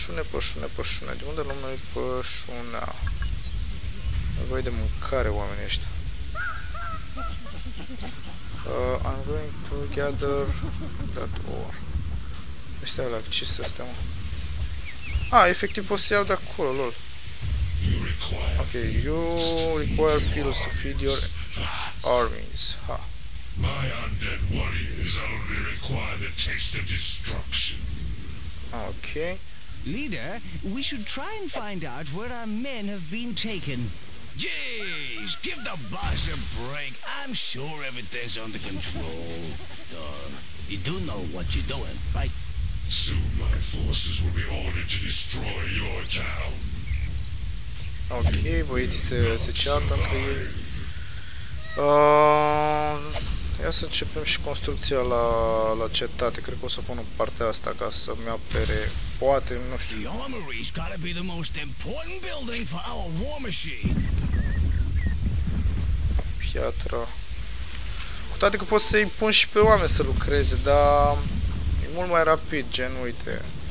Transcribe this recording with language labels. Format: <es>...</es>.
<ro>Pășune, de unde luăm noi pășunea? Nevoie de mâncare, oamenii ăștia.</ro> <en>I'm going to gather that ore.</en> <ro>Ăștia ăla, ce să stea, mă? Efectiv pot să iau de acolo, lol.</ro> <en>Ok, you require fields to feed your armies, ha. My undead warriors only require the taste of destruction. Okay. Leader, we should try and find out where our men have been taken. Jeez, give the boss a break. I'm sure everything's under control. You do know what you're doing, right? Soon my forces will be ordered to destroy your town. Okay, wait, it's a chart on the...</en> <ro>ia să începem și construcția la cetate. Cred că o să pun în partea asta ca să mi apere. Poate, nu știu.</ro> <en>The armory's got to be the most important building for our war machine.</en> <ro>Piatra. Cu toate că pot să-i pun și pe oameni să lucreze, dar e mult mai rapid, gen, uite.</ro>